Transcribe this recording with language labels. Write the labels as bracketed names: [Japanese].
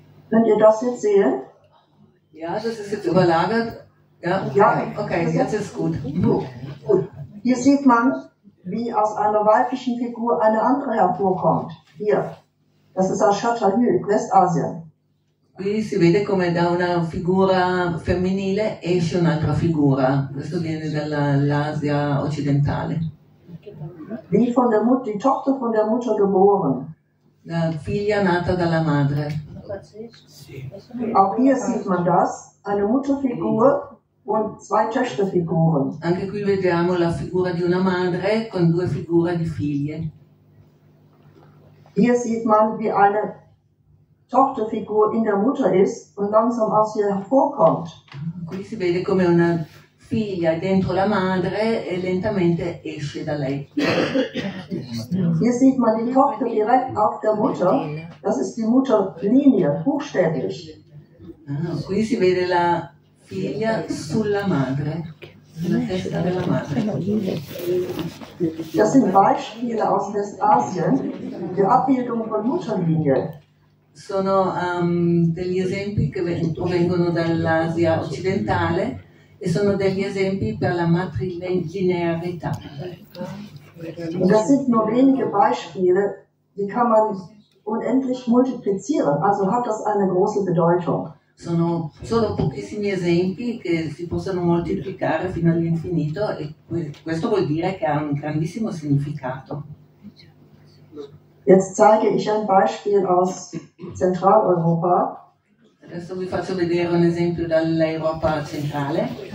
[German] Könnt ihr das jetzt sehen? Ja, das ist jetzt überlagert. Ja, ja. Okay, jetzt ist gut. Gut. Hier sieht man, wie aus einer weiblichen Figur eine andere hervorkommt. Hier, das ist Ashota Hü, Westasien. [Italian] Qui si vede come da una figura femminile esce un'altra figura. Questo viene dall'Asia occidentale. [German] Wie von der Mutter, die Tochter von der Mutter geboren. [Italian] La figlia nata dalla madre. [German] Auch hier sieht man das, eine Mutterfigur und zwei Töchterfiguren. [Italian] Anche qui vediamo la figura di una madre con due figure di figlie. [German] Hier sieht man, wie eine Tochterfigur in der Mutter ist und langsam aus ihr hervorkommt. [Italian] Qui si vede come una figlia dentro la madre e lentamente esce da lei. [German] Hier sieht man die Tochter direkt auf der Mutter. Das ist die Mutterlinie, buchstäblich. [Italian] Ah, qui si vede la figlia sulla madre, sulla testa della madre. [German] Das sind Beispiele aus Westasien, die Abbildung von Mutterlinie. [Italian] Sono degli esempi che provengono dall'Asia occidentale e sono degli esempi per la matrilinearità. [German] Das sind nur wenige Beispiele, die kann man unendlich multiplizieren, also hat das eine große Bedeutung. [Italian] Sono solo pochissimi esempi che si possono moltiplicare fino all'infinito e questo vuol dire che ha un grandissimo significato. [German] Jetzt zeige ich ein Beispiel aus Zentraleuropa. [Italian] Adesso vi faccio vedere un esempio dall'Europa centrale.